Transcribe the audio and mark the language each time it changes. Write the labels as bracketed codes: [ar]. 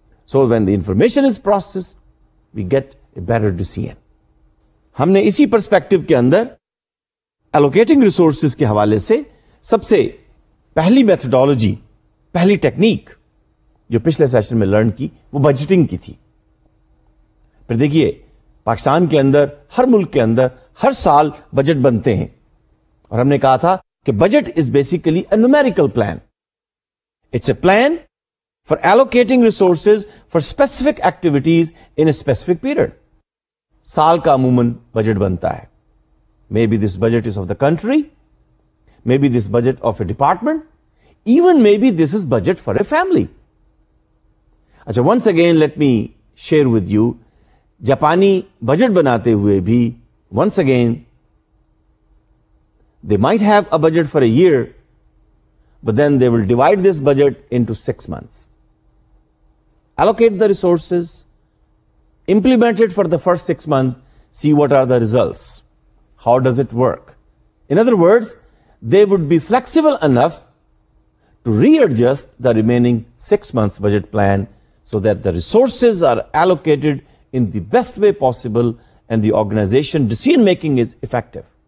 [en] So when the information is processed, we get a better decision. [ur] Humne isi perspective ke andar, allocating resources ke hawale se, sabse pehli methodology, pehli technique, جو پچھلے session میں learn کی، وہ budgeting کی تھی. پھر دیکھیے، پاکستان کے اندر، ہر ملک کے اندر ہر سال بجٹ بنتے ہیں، اور ہم نے کہا تھا کہ [en] Budget is basically a numerical plan. It's a plan for allocating resources for specific activities in a specific period. [ur] سال کا عموماً بجٹ بنتا ہے. [en] Maybe this budget is of the country, maybe this budget of a department, even maybe this is budget for a family. اچھا، once again let me share with you. [ur] جاپانی budget بناتے ہوئے بھی [en] Once again they might have a budget for a year but then they will divide this budget in to six months, allocate the resources, implement it for the first six month, see what are the results, how does it work. In other words they would be flexible enough to re adjust the remaining six months budget plan so that the resources are allocated in the best way possible and the organization decision making is effective.